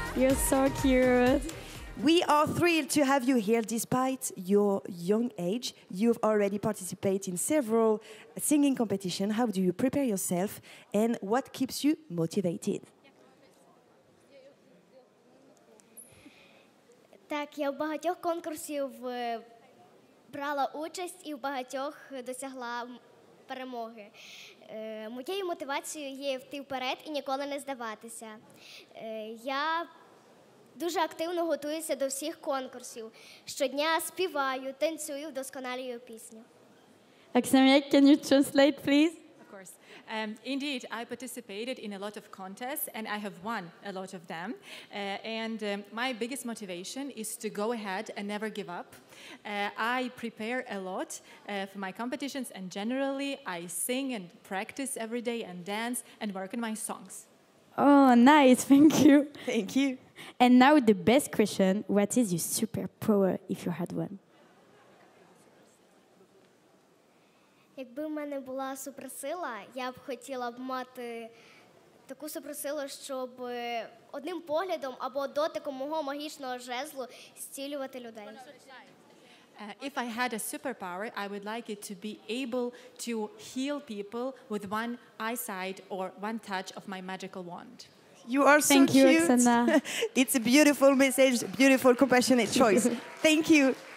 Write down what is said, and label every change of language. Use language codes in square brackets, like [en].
[en] You're so cute. We are thrilled to have you here despite your young age. You've already participated in several singing competitions. How do you prepare yourself and what keeps you motivated? [uk] Так, я в багатьох конкурсів брала участь і в багатьох досягла перемоги. Моєю мотивацією є йти вперед і ніколи не здаватися. Я дуже активно готуюся до всіх конкурсів. Щодня співаю, танцюю, вдосконалюю пісню. [en] Оксана, can you translate, please? Of course. Indeed, I participated in a lot of contests and I have won a lot of them. My biggest motivation is to go ahead and never give up. I prepare a lot for my competitions and generally I sing and practice every day and dance and work on my songs. Oh, nice. Thank you. Thank you. And now the best question, what is your superpower if you had one? [uk] Якби в мене була суперсила, я б хотіла б мати таку суперсилу, щоб одним поглядом або дотиком мого магічного жезлу зцілювати людей. [en] If I had a superpower, I would like it to be able to heal people with one eyesight or one touch of my magical wand. You are so thank cute. You, Oksana. It's a beautiful message, beautiful, compassionate choice. Thank you.